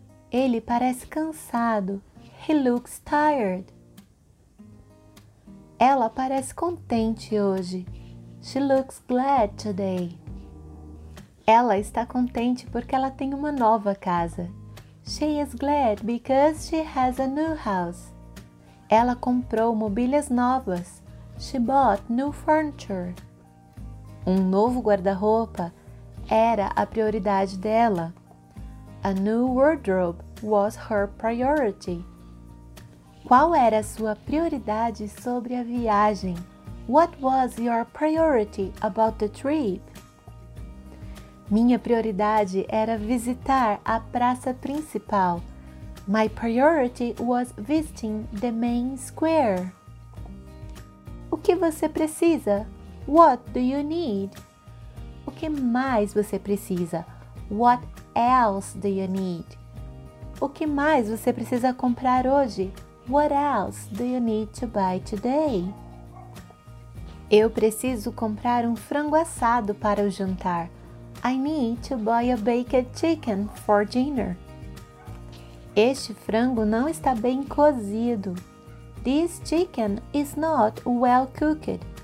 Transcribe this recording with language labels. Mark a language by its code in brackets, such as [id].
[pt] Ele parece cansado. [en] He looks tired. [pt] Ela parece contente hoje. [en] She looks glad today. [pt] Ela está contente porque ela tem uma nova casa. [en] She is glad because she has a new house. [pt] Ela comprou mobílias novas. [en] She bought new furniture. [pt] Um novo guarda-roupa era a prioridade dela. [en] A new wardrobe was her priority. [pt] Qual era a sua prioridade sobre a viagem? [en] What was your priority about the trip? [pt] Minha prioridade era visitar a praça principal. [en] My priority was visiting the main square. [pt] O que você precisa? [en] What do you need? [pt] O que mais você precisa? [en] What else do you need? [pt] O que mais você precisa comprar hoje? [en] What else do you need to buy today? [pt] Eu preciso comprar um frango assado para o jantar. [en] I need to buy a baked chicken for dinner. [pt] Este frango não está bem cozido. [en] This chicken is not well cooked.